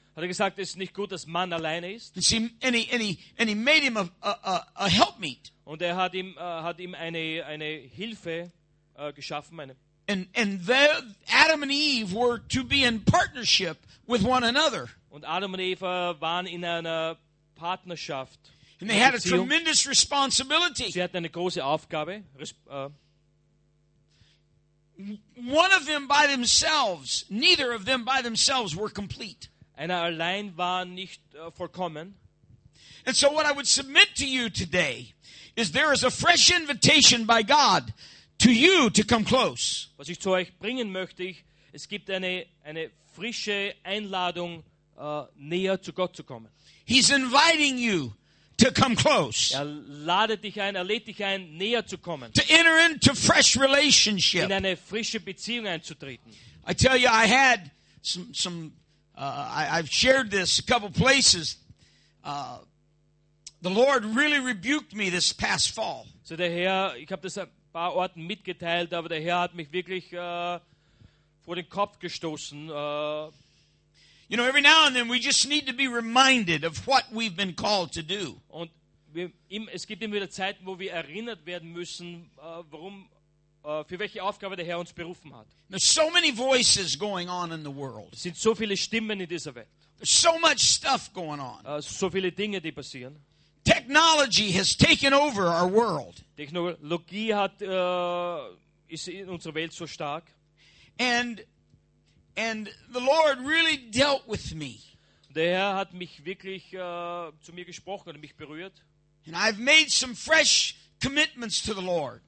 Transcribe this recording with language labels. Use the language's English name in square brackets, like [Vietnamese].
[German] Hat er gesagt, es ist nicht gut, dass Mann alleine ist. [English] And see, and he made him a helpmeet. [German] Und er hat ihm eine Hilfe geschaffen. [English] Adam and Eve were to be in partnership with one another. [German] Und Adam und Eva waren in einer Partnerschaft. [English] And they had a tremendous responsibility. [German] Sie hatten eine große Aufgabe. [English] One of them by themselves, neither of them by themselves were complete. [German] Einer allein war nicht vollkommen. [English] And so what I would submit to you today is there is a fresh invitation by God to you to come close. [German] Was ich zu euch bringen möchte, es gibt eine frische Einladung, näher zu Gott zu kommen. [English] He's inviting you to come close. [German] Er ladet dich ein, er lädt dich ein, näher zu kommen. [English] To enter into fresh relationship. [German] In eine frische Beziehung einzutreten. [English] I tell you, I had some I've shared this a couple places. The Lord really rebuked me this past fall. [German] So der Herr, ich habe das ein paar Orten mitgeteilt, aber der Herr hat mich wirklich vor den Kopf gestoßen. [English] You know, every now and then we just need to be reminded of what we've been called to do. [German] Und es gibt immer wieder Zeiten, wo wir erinnert werden müssen, warum, für welche Aufgabe der Herr uns berufen hat. [English] There's so many voices going on in the world. [German] Es sind so viele Stimmen in dieser Welt. [English] There's so much stuff going on. [German] So viele Dinge, die passieren. [English] Technology has taken over our world. [German] Technologie hat ist in unserer Welt so stark. [English] And the Lord really dealt with me. [German] Der Herr hat mich wirklich zu mir gesprochen und mich berührt. [English] And I've made some fresh commitments to the Lord.